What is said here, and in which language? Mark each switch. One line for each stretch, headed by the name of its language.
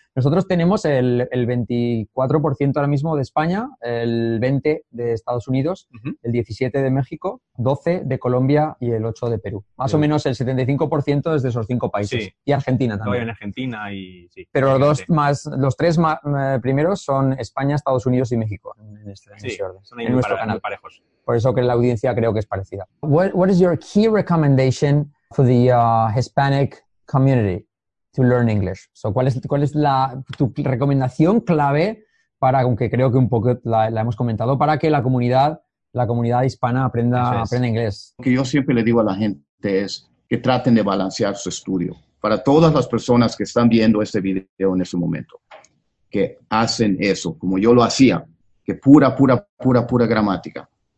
Spanish: Nosotros tenemos el 24% ahora mismo de España, el 20% de Estados Unidos, uh-huh. El 17% de México, 12% de Colombia y el 8% de Perú. Más sí. O menos el 75% es de esos cinco países. Sí. Y Argentina también. Todavía en Argentina y... Sí. Pero los tres primeros son España, Estados Unidos y México. En nuestro canal. Parejos. Por eso que la audiencia creo que es parecida.
English: What is your key recommendation for the Hispanic community? To learn English.
Spanish: So, ¿cuál es tu recomendación clave para, aunque creo que un poco la hemos comentado, para que la comunidad hispana aprenda inglés? Lo que yo siempre le digo a la gente es que traten de balancear su estudio. Para todas las personas que están viendo este video en este momento, que hacen eso, como yo lo hacía, que pura gramática.